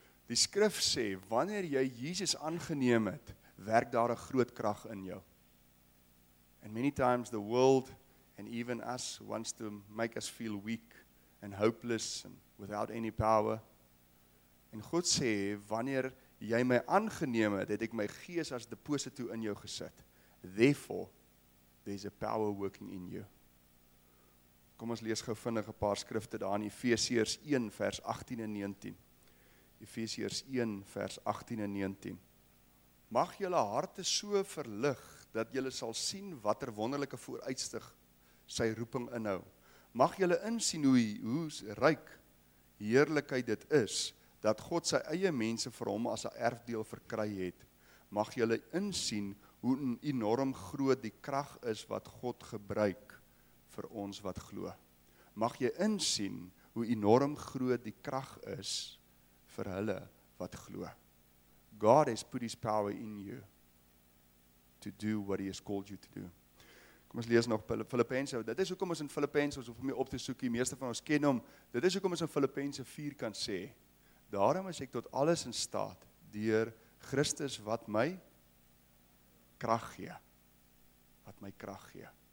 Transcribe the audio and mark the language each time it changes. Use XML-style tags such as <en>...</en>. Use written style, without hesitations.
<af>Die skrif sê, wanneer jy Jesus aangeneem het, werk daar 'n groot krag in jou.</af> <en>And many times the world, and even us, wants to make us feel weak, and hopeless, and without any power.</en> <af>En God sê, wanneer jy my aangeneem het, het ek my gees as deposito in jou gesit.</af> <en>Therefore, there's a power working in you.</en> <af>Kom ons lees gou vinnig 'n paar skrifte daar in Efesiërs 1 vers 18 en 19. Efesiërs 1 vers 18 en 19. Mag julle harte so verlig dat julle sal sien watter wonderlike vooruitsig sy roeping inhou. Mag julle insien hoe ryk heerlikheid dit is dat God sy eie mense vir hom as 'n erfdeel verkry het. Mag julle insien hoe enorm groot die krag is wat God gebruik vir ons wat glo. Mag jy insien hoe enorm groot die krag is vir hulle wat glo.</af> <en>God has put his power in you to do what he has called you to do.</en> <af>Kom ons lees nog Filippense. Dit is hoekom ons in Filippense, ons hoef hom nie op te soek, die meeste van ons ken hom. Dit is hoekom ons in Filippense 4 kan sê, daarom is ek tot alles in staat deur Christus wat my krag gee. Wat my krag gee.</af>